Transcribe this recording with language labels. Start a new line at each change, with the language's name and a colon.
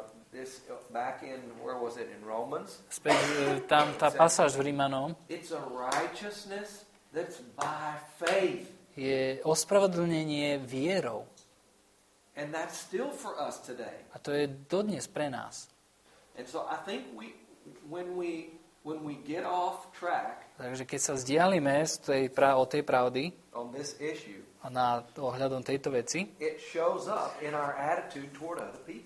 English: This back in, where was it, in Romans?
Slovak: Späť tam tá pasáž v Rímanom.
English: It's a righteousness that's by faith.
Slovak: Je ospravedlnenie vierou.
English: And that's still for us today.
Slovak: A to je dodnes pre nás.
English: And so I think when we get off track.
Slovak: Takže keď sa zdialíme z tej od tej pravdy
English: on this issue,
Slovak: a na ohľadom tejto veci,
English: it shows up in our attitude toward other people.